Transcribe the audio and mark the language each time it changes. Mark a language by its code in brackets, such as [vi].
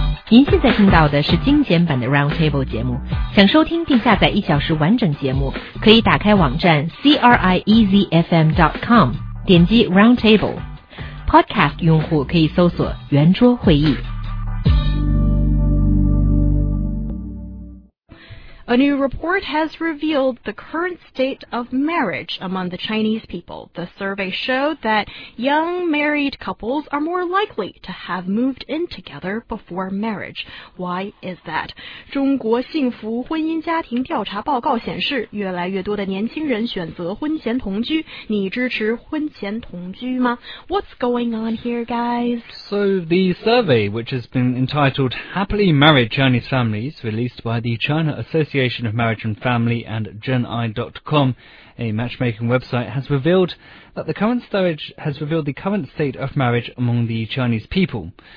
[zh] 您现在听到的是精简版的 Roundtable 节目，想收听并下载一小时完整节目，可以打开网站 CRIEZFM.com， 点击 Roundtable。 Podcast 用户可以搜索圆桌会议。 [en] A new report has revealed the current state of marriage among the Chinese people. The survey showed that young married couples are more likely to have moved in together before marriage. Why is that? [zh] 中国幸福婚姻家庭调查报告显示，越来越多的年轻人选择婚前同居。你支持婚前同居吗？ [en] What's going on here, guys? So the survey, which has been entitled Happily Married Chinese Families, released by the China Association of Marriage and Family and GenEye.com, a matchmaking website, has revealed that the current stage has revealed the current state of marriage among the Chinese people.